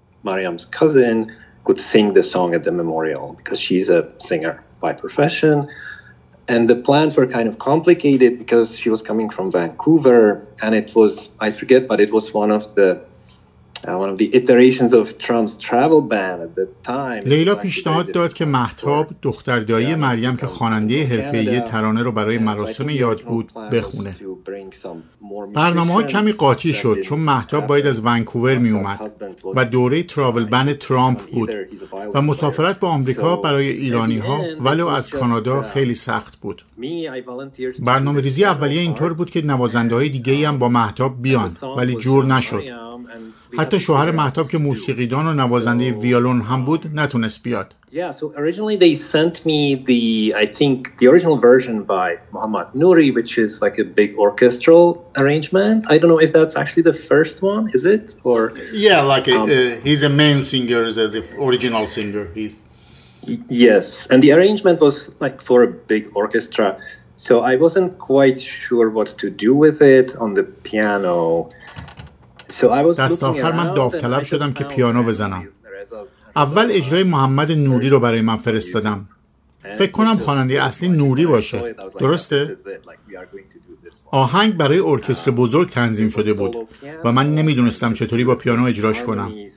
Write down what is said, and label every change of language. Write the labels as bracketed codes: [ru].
[en] Mariam's cousin could sing the song at the memorial because she's a singer by profession. And the plans were kind of complicated because she was coming from Vancouver, and it was, I forget, but it was one of the iterations of Trump's travel ban at the time. [fa] لیلا پیشنهاد داد که مهتاب، دختر دایی مریم که خواننده حرفه‌ای ترانه رو برای مراسم یاد بود بخونه. برنامه ها کمی قاطی شد چون مهتاب باید از ونکوور می اومد و دوره تراول بن ترامپ بود و مسافرت به آمریکا برای ایرانی ها ولو از کانادا خیلی سخت بود. برنامه ریزی اولیه اینطور بود که نوازنده های دیگه هم با مهتاب بیان، ولی جور نشد. حتی شوهر مهتاب که موسیقیدان و نوازنده ویولون هم بود نتونست بیاد. [en] Yeah, so originally they sent me the original version by Mohammad Nouri, which is like a big orchestral arrangement. I don't know if that's actually the first one, is it? Or yeah, like he's a main singer, the original singer. Yes, and the arrangement was like for a big orchestra. So I wasn't quite sure what to do with it on the piano. So I was [fa] دست آخر من داوطلب شدم که پیانو بزنم. اول اجرای محمد نوری رو برای من فرستادم. فکر کنم خواننده اصلی نوری باشه. درسته؟ آهنگ برای ارکستر بزرگ تنظیم شده بود و من نمیدونستم چطوری با پیانو اجراش کنم.